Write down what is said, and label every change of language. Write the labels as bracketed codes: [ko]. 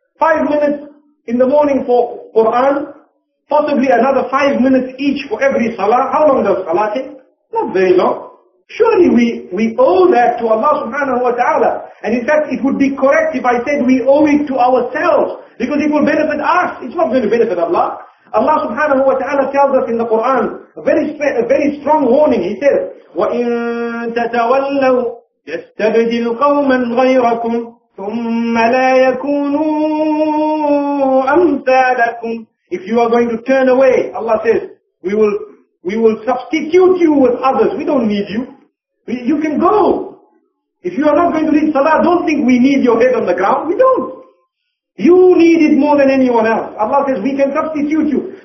[en] 5 minutes in the morning for Quran, possibly another 5 minutes each for every salah. How long does salah take? Not very long. Surely we owe that to Allah subhanahu wa ta'ala. And in fact, it would be correct if I said we owe it to ourselves, because it will benefit us. It's not going to benefit Allah. Allah subhanahu wa ta'ala tells us in the Quran a very strong warning. He says, [ar] وَإِن تَتَوَلَّوْا يَسْتَبْدِلْ قَوْمًا غَيْرَكُمْ ثُمَّ لَا يَكُونُوا أَمْثَالَكُمْ. [en] If you are going to turn away, Allah says, we will substitute you with others. We don't need you. You can go. If you are not going to read salah, don't think we need your head on the ground. We don't. You need it more than anyone else. Allah says, we can substitute you.